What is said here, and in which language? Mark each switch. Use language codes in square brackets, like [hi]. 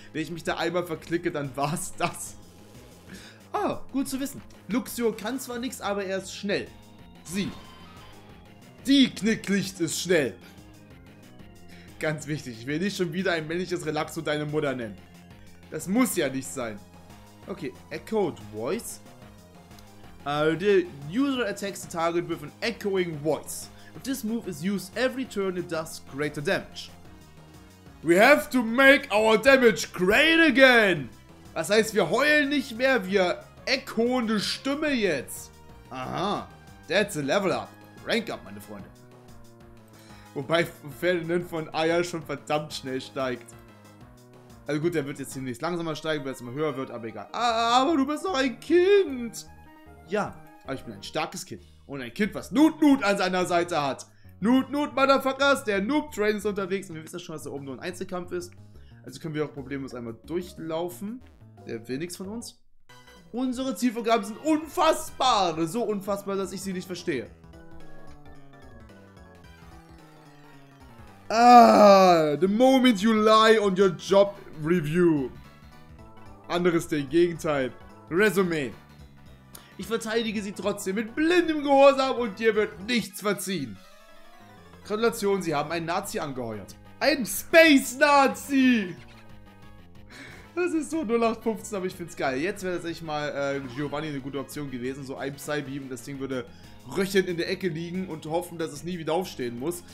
[de] Wenn ich mich da einmal verklicke, dann war's das. Ah, gut zu wissen. Luxio kann zwar nichts, aber er ist schnell. Sie. Die Knicklicht ist schnell. Ganz wichtig, ich will nicht schon wieder ein männliches Relaxo deine Mutter nennen. Das muss ja nicht sein. Okay, Echoed Voice. [en] The user attacks the target with an echoing voice. If this move is used every turn, it does greater damage. We have to make our damage great again! [de] Das heißt, wir heulen nicht mehr, wir echoen die Stimme jetzt. Aha, [en] that's a level up. Rank up, [de] meine Freunde. Wobei Ferdinand von Aya schon verdammt schnell steigt. Also gut, der wird jetzt ziemlich langsamer steigen, weil es immer höher wird, aber egal. Aber du bist doch ein Kind! Ja, aber ich bin ein starkes Kind. Und ein Kind, was Nut an seiner Seite hat. Nut, Motherfuckers, der Noob-Train ist unterwegs. Und wir wissen schon, dass da oben nur ein Einzelkampf ist. Also können wir auch problemlos einmal durchlaufen. Der will nichts von uns. Unsere Zielvorgaben sind unfassbar. So unfassbar, dass ich sie nicht verstehe. [en] The moment you lie on your job review. [de] Anderes Ding, Gegenteil. Resume. Ich verteidige sie trotzdem mit blindem Gehorsam und dir wird nichts verziehen. Gratulation, sie haben einen Nazi angeheuert. Ein Space-Nazi! Das ist so 0815, aber ich find's geil. Jetzt wäre tatsächlich mal Giovanni eine gute Option gewesen. So ein Psy-Beam, das Ding würde röchelnd in der Ecke liegen und hoffen, dass es nie wieder aufstehen muss.